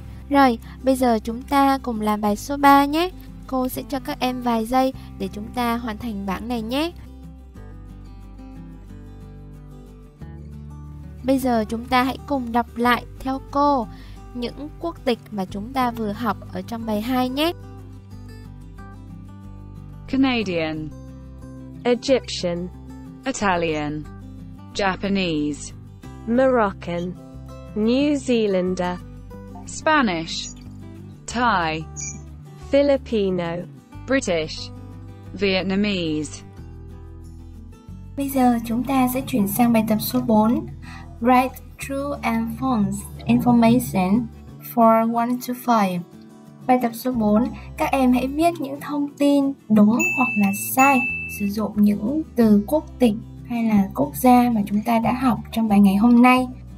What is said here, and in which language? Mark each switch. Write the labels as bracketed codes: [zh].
[vi] Rồi, bây giờ chúng ta cùng làm bài số 3 nhé. Cô sẽ cho các em vài giây để chúng ta hoàn thành bảng này nhé. Bây giờ chúng ta hãy cùng đọc lại theo cô những quốc tịch mà chúng ta vừa học ở trong bài 2 nhé. [en] Canadian, Egyptian, Italian, Japanese, Moroccan, New Zealander, Spanish, Thai, Filipino, British, Vietnamese. [vi] Bây giờ chúng ta sẽ chuyển sang bài tập số 4. [en] Write true and false information for 1 to 5. [vi] Bài tập số 4, các em hãy viết những thông tin đúng hoặc là sai, sử dụng những từ quốc tịch hay là quốc gia mà chúng ta đã học trong bài ngày hôm nay.